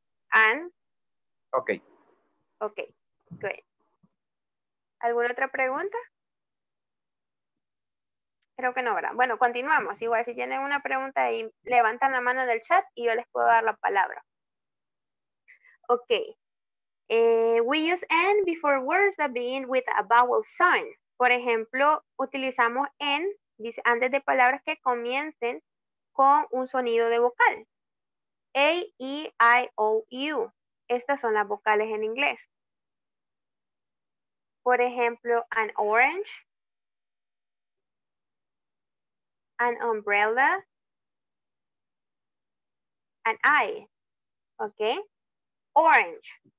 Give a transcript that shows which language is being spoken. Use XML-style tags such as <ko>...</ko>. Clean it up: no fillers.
<es>An. Ok. Ok, good. ¿Alguna otra pregunta? Creo que no, ¿verdad? Bueno, continuamos. Igual si tienen una pregunta ahí, levantan la mano del chat y yo les puedo dar la palabra. Ok.</es> <en>We use an before words that begin with a vowel sound.</en> <es>Por ejemplo, utilizamos an, dice, antes de palabras que comiencen con un sonido de vocal. A, E, I, O, U. Estas son las vocales en inglés. Por ejemplo,</es> <en>an orange, an umbrella, an eye.</en> <es>¿Ok? Orange.</es>